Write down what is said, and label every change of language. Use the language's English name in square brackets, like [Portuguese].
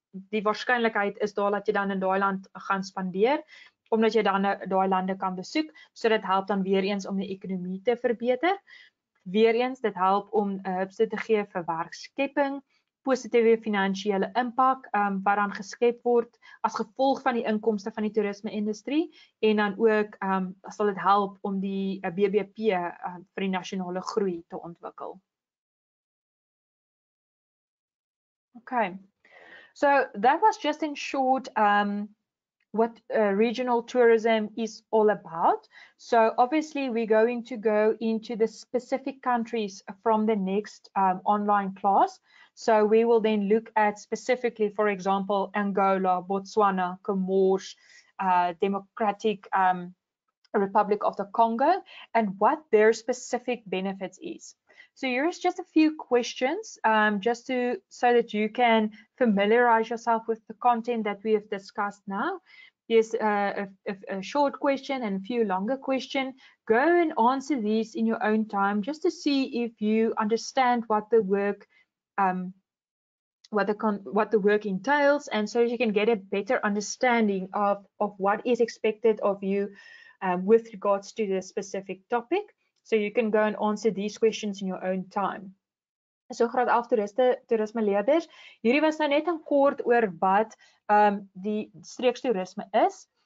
[Afrikaans] die waarskynlikheid is daar dat jy dan in daai land gaan spandeer omdat jy dan daai lande kan besoek, so dit help dan weer eens om die ekonomie te verbeter. Weer eens, dit help om 'n hupsie te gee vir werkskepping positiewe finansiële impak wat dan geskep word as gevolg van die inkomste van die toerisme industrie en dan ook sal dit help om die BBP vir die nasionale groei te ontwikkel. Okay. [English] So that was just in short what regional tourism is all about. So obviously we're going to go into the specific countries from the next online class. So we will then look at specifically, for example, Angola, Botswana, Comores, Democratic Republic of the Congo, and what their specific benefits is. So here's just a few questions, just to so that you can familiarize yourself with the content that we have discussed now. Here's a short question and a few longer questions. Go and answer these in your own time, just to see if you understand what the work what the work entails, and so you can get a better understanding of what is expected of you with regards to the specific topic. So you can go and answer these questions in your own time. [Afrikaans] So graad 11 toerisme leerders, hierdie was nou net 'n kort oor wat die streekstoerisme is.